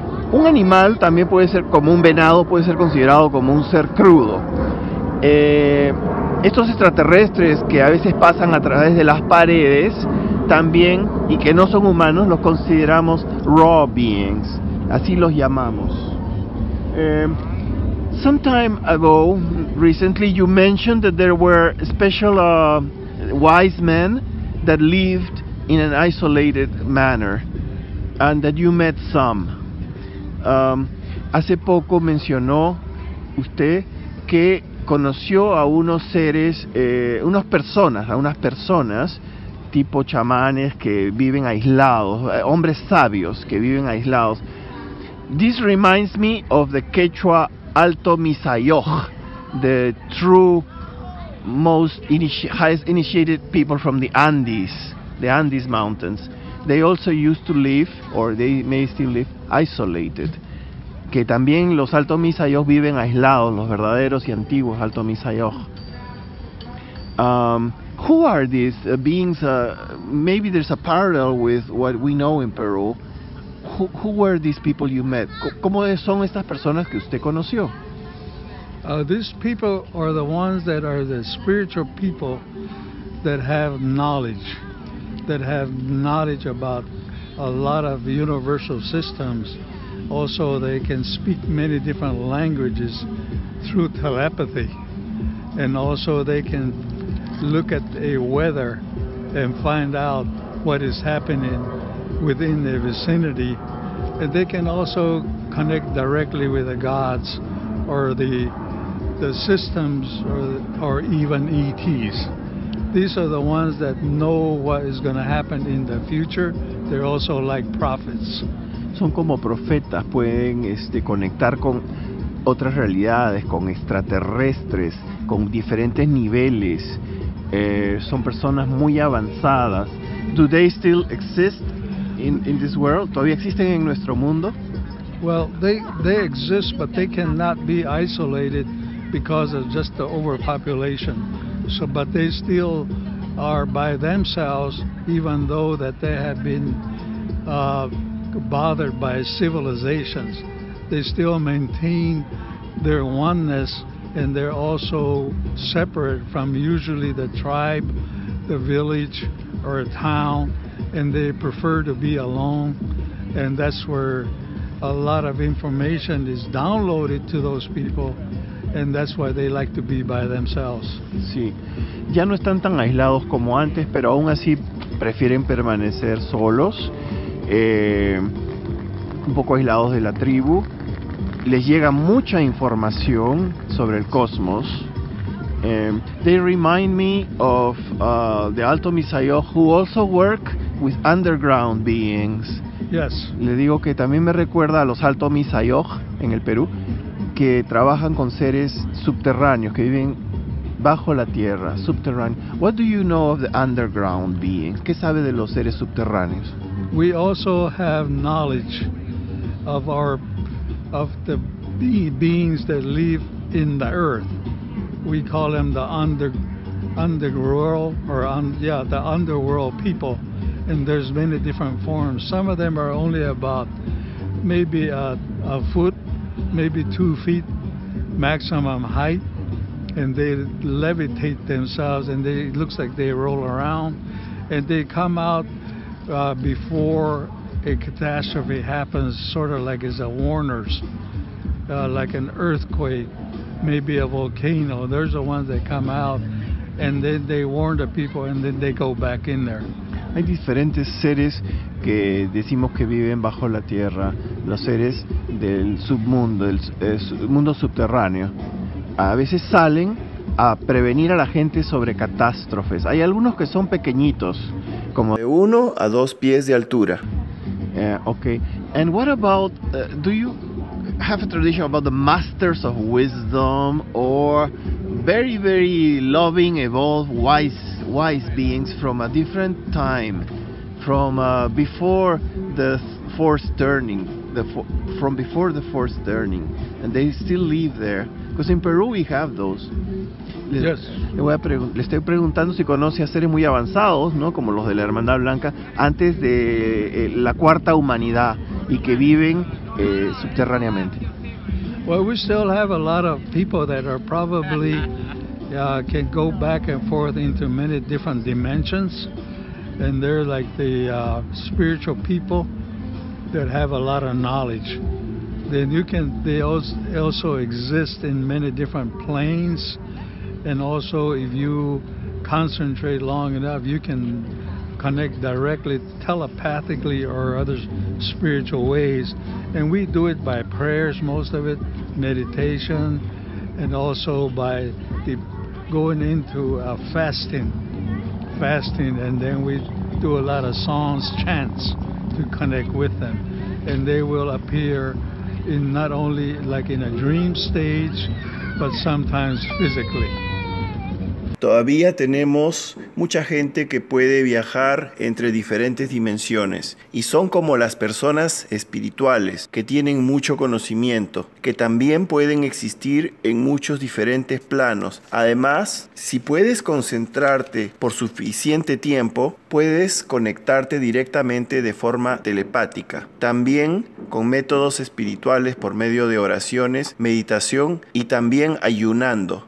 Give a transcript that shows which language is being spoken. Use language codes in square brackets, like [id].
[es] Un animal también puede ser, como un venado, puede ser considerado como un ser crudo. Estos extraterrestres que a veces pasan a través de las paredes también, y que no son humanos, los consideramos [en] raw beings. [es] Así los llamamos. [en] Some time ago, recently, you mentioned that there were special wise men that lived in an isolated manner, and that you met some. [es] Hace poco mencionó usted que conoció a unos seres, unas personas, tipo chamanes que viven aislados, hombres sabios que viven aislados. [en] This reminds me of the Quechua Alto Misayoj, the true most highest initiated people from the Andes Mountains. They also used to live, or they may still live, isolated. [es] Que también los Alto Misayoj viven aislados, los verdaderos y antiguos Alto Misayoj. [en] Who are these beings? Maybe there's a parallel with what we know in Peru. Who were these people you met? [es] ¿Cómo son estas personas que usted conoció? [en] These people are the ones that are the spiritual people that have knowledge. That have knowledge about a lot of universal systems. Also, they can speak many different languages through telepathy. And also, they can look at a weather and find out what is happening within their vicinity. And they can also connect directly with the gods or the systems or even ETs. These are the ones that know what is going to happen in the future. They're also like prophets. [es] Son como profetas, pueden conectar con otras realidades, con extraterrestres, con diferentes niveles. Son personas muy avanzadas. [en] Do they still exist in this world? [es] ¿Todavía existen en nuestro mundo? [en] Well, they exist, but they cannot be isolated because of just the overpopulation. So, but they still are by themselves, even though that they have been bothered by civilizations. They still maintain their oneness, and they're also separate from usually the tribe, the village, or a town, and they prefer to be alone. And that's where a lot of information is downloaded to those people, and that's why they like to be by themselves. [es] Sí, ya no están tan aislados como antes, pero aún así prefieren permanecer solos, un poco aislados de la tribu. Les llega mucha información sobre el cosmos. [en] They remind me of the Alto Misayoj, who also work with underground beings. Yes. [es] Le digo que también me recuerda a los Alto Misayoj en el Perú, que trabajan con seres subterráneos, que viven bajo la tierra, subterráneo. [en] What do you know of the underground beings? [es] ¿Qué sabe de los seres subterráneos? [en] We also have knowledge of the beings that live in the earth. We call them the underworld people, and there's many different forms. Some of them are only about maybe a foot, maybe 2 feet maximum height, and they levitate themselves, and they, it looks like they roll around, and they come out before a catastrophe happens, sort of like as a warners, like an earthquake, maybe a volcano. There's the ones that come out, and then they warn the people, and then they go back in there. [es] Hay diferentes seres que decimos que viven bajo la tierra, los seres del submundo, del mundo subterráneo. A veces salen a prevenir a la gente sobre catástrofes. Hay algunos que son pequeñitos, como de 1 a 2 pies de altura. [en] Okay. And what about, do you have a tradition about the masters of wisdom or very, very loving, evolved, wise beings from a different time, from before the fourth turning, and they still live there? Because in Peru we have those. [es] Le estoy preguntando si conoce a seres muy avanzados, ¿no? Como los de la Hermandad Blanca, antes de la cuarta humanidad y que viven subterráneamente. [en] Well, we still have a lot of people that are probably can go back and forth into many different dimensions, and they're like the spiritual people that have a lot of knowledge. Then you can, they also exist in many different planes, and also if you concentrate long enough, you can connect directly, telepathically, or other spiritual ways. And we do it by prayers, most of it, meditation, and also by the going into a fasting, and then we do a lot of songs, chants to connect with them, and they will appear in not only like in a dream stage, but sometimes physically. [es] Todavía tenemos mucha gente que puede viajar entre diferentes dimensiones y son como las personas espirituales que tienen mucho conocimiento, que también pueden existir en muchos diferentes planos. Además, si puedes concentrarte por suficiente tiempo, puedes conectarte directamente de forma telepática, también con métodos espirituales por medio de oraciones, meditación y también ayunando.